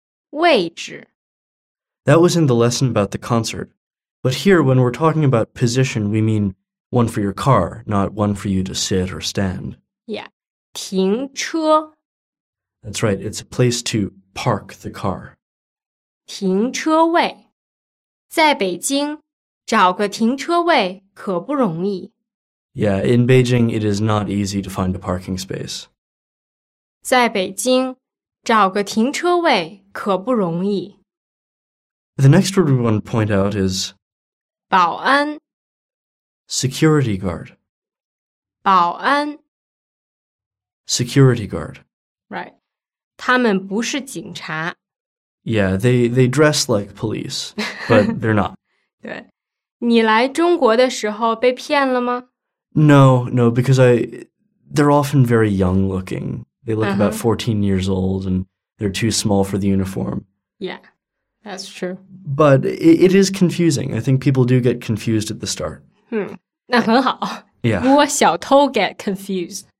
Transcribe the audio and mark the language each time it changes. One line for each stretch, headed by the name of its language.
Chinese: 位置
English: That was in the lesson about the concert. But here, when we're talking about position, we mean one for your car, not one for you to sit or stand.
Chinese: Yeah, 停车
English: That's right, it's a place to park the car.
Chinese: 停车位在北京找个停车位可不容易
English: Yeah, in Beijing, it is not easy to find a parking space.
Chinese: 在北京找个停车位可不容易
English: The next word we want to point out is
Chinese: 保安
English: Security guard.
Chinese: 保安
English: Security guard. Right.
Chinese: 他们不是警察。
English: Yeah, they dress like police, but they're not.
Chinese: 对。你来中国的时候被骗了吗?
English: No, because they're often very young looking. They look about 14 years old and they're too small for the uniform. Yeah, that's true. But it is confusing. I think people do get confused at the start.
Chinese: 那很好。
English: Yeah.
Chinese: 如果小偷
English: get confused.